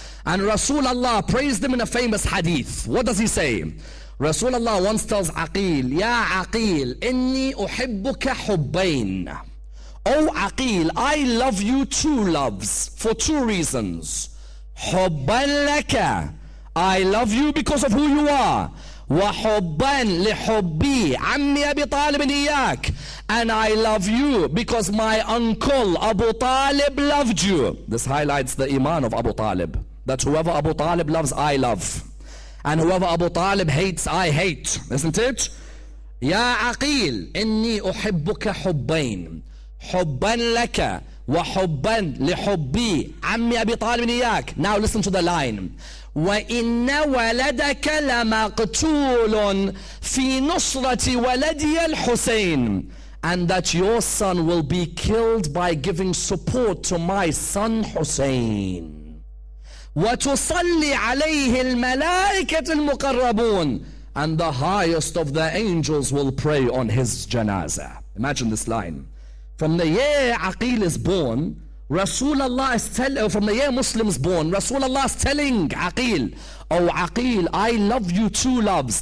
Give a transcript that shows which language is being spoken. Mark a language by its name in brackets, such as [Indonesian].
[English] And Rasulullah praised him in a famous hadith. What does he say? Rasulullah once tells Aqil, Ya Aqil, [Arabic] inni uhibbuka hubbain. [English] Oh Aqil, I love you two loves for two reasons. [Arabic] حبا لك. [English] I love you because of who you are. [Arabic] وحبا لحبي عمي أبي طالب إياك. [English] And I love you because my uncle Abu Talib loved you. This highlights the iman of Abu Talib. That whoever Abu Talib loves, I love. And whoever Abu Talib hates, I hate. Isn't it? [Arabic] يا عقيل إني أحبك حبين حبا لك وحبا لحبي عمي أبي طالب إياك. [English] Now listen to the line. [Arabic] وإن ولدك لمقتول في نصرة ولدي الحسين. [English] And that your son will be killed by giving support to my son Hussein. [Arabic] وتصلي عليه الملائكة المقربون. [English] And the highest of the angels will pray on his janazah. Imagine this line. From the year Aqil is born, Rasulullah is telling, from the year Muslim is born, Rasulullah is telling Aqil, oh Aqil, I love you two loves.